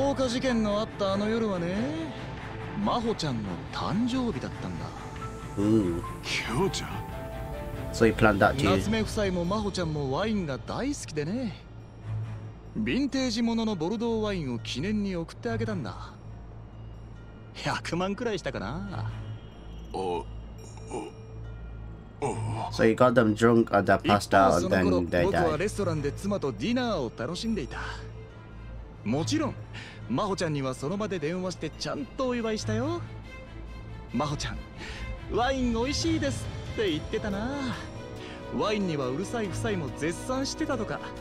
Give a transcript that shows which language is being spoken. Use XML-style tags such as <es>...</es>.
<ja>放火事件のあったあの夜はね、真帆ちゃんの誕生日だったんだ。キョウちゃん。</ja> <en>So he planned that too.</en> <ja>夏目夫妻も真帆ちゃんもワインが大好きでね。ヴィンテージもののボルドーワインを記念に送ってあげたんだ。 100万くらいしたかな。</ja> <en>So he got them drunk at the pasta and then they died.</en> <ja>僕はレストランで妻とディナーを楽しんでいた。もちろん、真帆ちゃんにはその場で電話してちゃんとお祝いしたよ。真帆ちゃん、ワイン美味しいですって言ってたな。ワインにはうるさい夫妻も絶賛してたとか。</ja>